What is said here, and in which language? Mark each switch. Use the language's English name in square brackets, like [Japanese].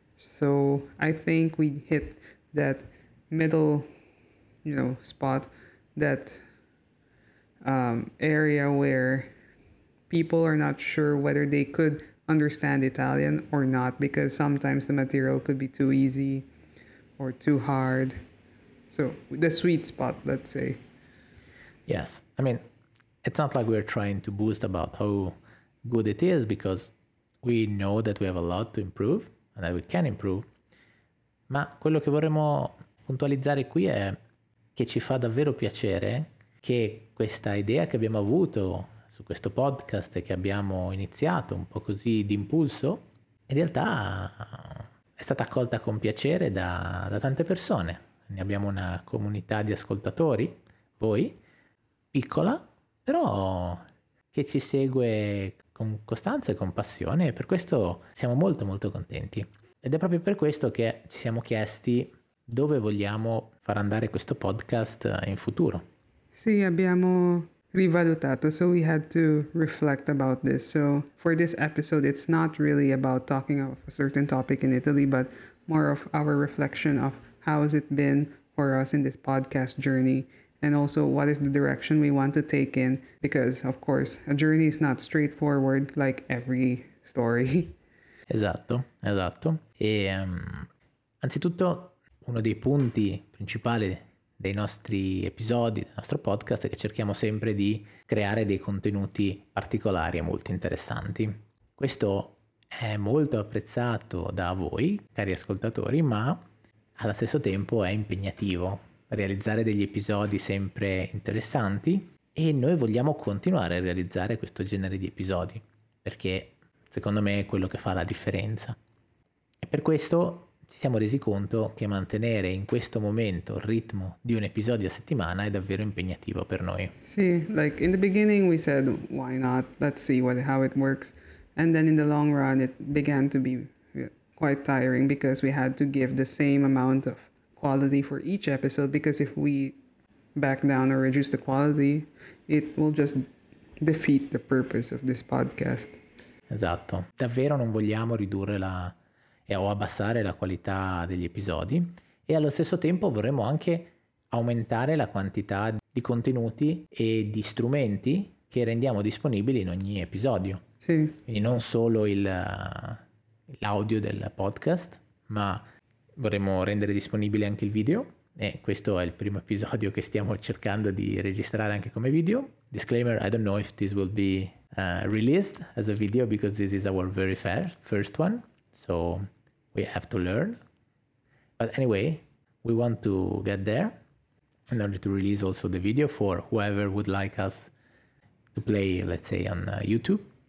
[English] So I think we hit that middle, you know, spot, that area where people are not sure whether they could understand Italian or not, because sometimes the material could be too easy or too hard. So the sweet spot, let's say. Yes. I mean, it's not like we're trying to boost about how good it is, because we know that we have a lot to improve and that we can improve. [Italian] Ma quello che vorremmo puntualizzare qui è che ci fa davvero piacere che questa idea che abbiamo avuto su questo podcast, che abbiamo iniziato un po' così d'impulso, in realtà è stata accolta con piacere da tante persone. Ne abbiamo una comunità di ascoltatori, voi, piccola, però che ci segue con costanza e con passione, e per questo siamo molto molto contenti. Ed è proprio per questo che ci siamo chiesti dove vogliamo far andare questo podcast in futuro. Sì, abbiamo rivalutato, [English] so we had to reflect about this. So for this episode, it's not really about talking of a certain topic in Italy, but more of our reflection of how has it been for us in this podcast journey, and also what is the direction we want to take in, because of course a journey is not straightforward like every story. [Italian] Esatto, esatto. E anzitutto uno dei punti principali dei nostri episodi, del nostro podcast, che cerchiamo sempre di creare dei contenuti particolari e molto interessanti. Questo è molto apprezzato da voi, cari ascoltatori, ma allo stesso tempo è impegnativo realizzare degli episodi sempre interessanti, e noi vogliamo continuare a realizzare questo genere di episodi, perché secondo me è quello che fa la differenza. E per questo ci siamo resi conto che mantenere in questo momento il ritmo di un episodio a settimana è davvero impegnativo per noi. [English] Sì, like in the beginning we said why not, let's see how it works, and then in the long run it began to be quite tiring because we had to give the same amount of quality for each episode, because if we back down or reduce the quality, it will just defeat the purpose of this podcast. [Italian] Esatto. Davvero non vogliamo ridurre la o abbassare la qualità degli episodi e allo stesso tempo vorremmo anche aumentare la quantità di contenuti e di strumenti che rendiamo disponibili in ogni episodio. Sì. Quindi non solo l'audio del podcast, ma vorremmo rendere disponibile anche il video. E questo è il primo episodio che stiamo cercando di registrare anche come video. [English] Disclaimer, I don't know if this will be released as a video because this is our very first one. So we have to learn. But anyway, we want to get there in order to release also the video for whoever would like us to play, let's say, on YouTube.